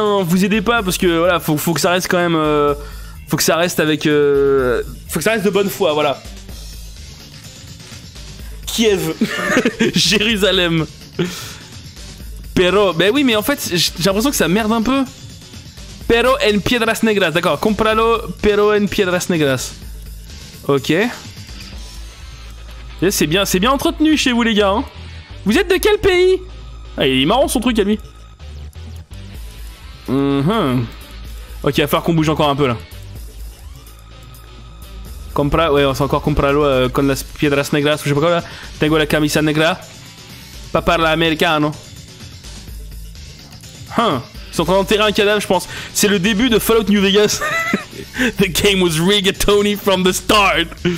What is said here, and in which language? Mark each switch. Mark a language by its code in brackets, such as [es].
[fr] Hein, vous aidez pas, parce que, voilà, faut que ça reste quand même... faut que ça reste avec... faut que ça reste de bonne foi, voilà. Kiev. Jérusalem. Pero... Ben oui, mais en fait, j'ai l'impression que ça merde un peu. [es] Pero en piedras negras, [fr] d'accord. [es] Compralo, pero en piedras negras. Ok. [fr] C'est bien entretenu chez vous, les gars. Hein. Vous êtes de quel pays? Ah, il est marrant, son truc, à lui. Mm-hmm. Ok, il va falloir qu'on bouge encore un peu, là. [es] Compra... [fr] Ouais, c'est encore [es] compralo con las piedras negras, [fr] ou je sais pas quoi, là. [es] Tengo la camisa negra. Pas parla americano. [fr] Huh. Ils sont en train d'enterrer un cadavre, je pense. C'est le début de Fallout New Vegas. [en] The game was rigged, Tony, from the start.